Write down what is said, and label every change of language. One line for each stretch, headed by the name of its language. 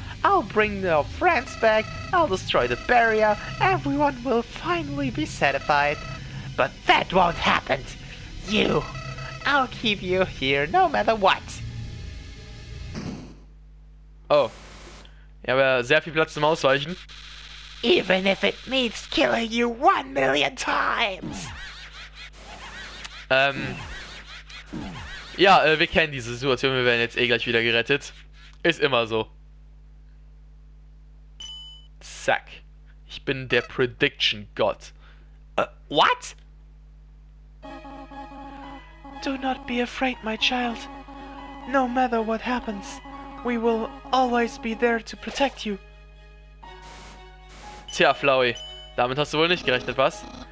English: I'll bring your friends back, I'll destroy the barrier, everyone will finally be satisfied. But that won't happen. You, I'll keep you here no matter what.
German: Oh, ich habe ja sehr viel Platz zum Ausweichen.
English: Even if it means killing you 1,000,000 times.
German: Ja, wir kennen diese Situation, wir werden jetzt eh gleich wieder gerettet. Ist immer so. Zack. Ich bin der Prediction God.
English: What? Do not be afraid, my child. No matter what happens, we will always be there to protect you.
German: Tja, Flowey, damit hast du wohl nicht gerechnet, was?